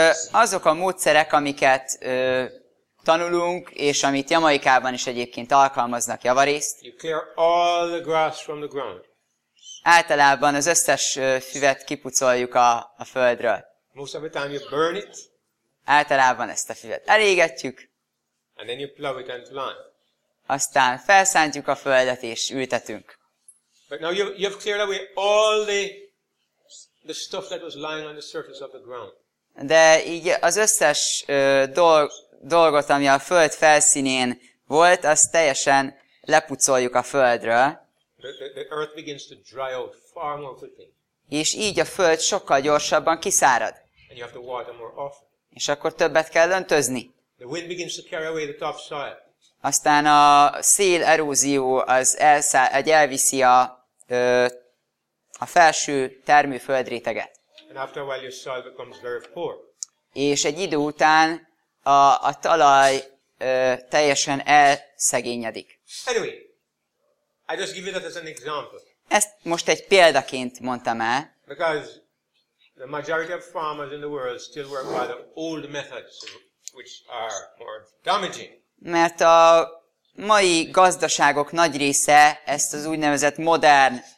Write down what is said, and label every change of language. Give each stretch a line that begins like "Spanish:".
Hungarian: Azok a módszerek, amiket tanulunk és amit Jamaikában is egyébként alkalmaznak javarészt.
English: You clear all the grass from the ground.
Hungarian: Általában az összes füvet kipucoljuk a földről.
English: Most of the time you burn it.
Hungarian: Általában ezt a füvet elégetjük.
English: And then you plow it and plant.
Hungarian: Aztán felszántjuk a földet és ültetünk.
English: But now you've cleared away all the stuff that was lying on the surface of the ground.
Hungarian: De így az összes dolgot, ami a föld felszínén volt, azt teljesen lepucoljuk a földről.
English: The earth begins to dry out far more quickly.
Hungarian: És így a föld sokkal gyorsabban kiszárad.
English: And you have to water more often.
Hungarian: És akkor többet kell öntözni.
English: The wind begins to carry away the topsoil.
Hungarian: Aztán a szél erózió az elviszi a felső termőföld réteget.
English: And after a while your soil becomes very poor.
Hungarian: És egy idő után a talaj teljesen elszegényedik.
English: Anyway, I just give you that as an example.
Hungarian: Ezt most egy példaként mondtam el.
English: Because the majority of farmers in the world still work by the old methods, which are more damaging.
Hungarian: Mert a mai gazdaságok nagy része ezt az úgynevezett modern